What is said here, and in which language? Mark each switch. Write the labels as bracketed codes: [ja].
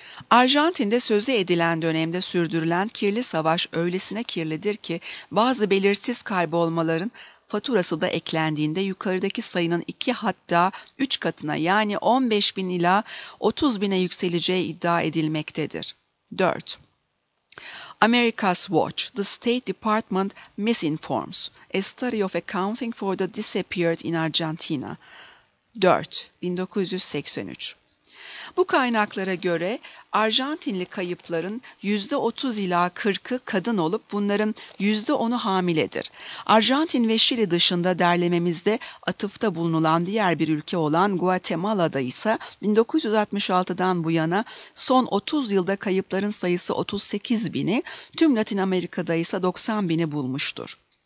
[tr] Arjantin'de sözü edilen dönemde sürdürülen kirli savaş öylesine kirlidir ki bazı belirsiz kaybolmaların faturası da eklendiğinde yukarıdaki sayının 2 hatta 3 katına yani 15 bin ila 30 bine yükseleceği iddia edilmektedir. 4. [en] America's Watch, the State Department misinforms, a study of accounting for the disappeared in Argentina. 4. 1983. [tr] Bu kaynaklara göre Arjantinli kayıpların %30 ila 40'ı kadın olup bunların %10'u hamiledir. Arjantin ve Şili dışında derlememizde atıfta bulunulan diğer bir ülke olan Guatemala'da ise 1966'dan bu yana son 30 yılda kayıpların sayısı 38 bini, tüm Latin Amerika'da ise 90 bini bulmuştur.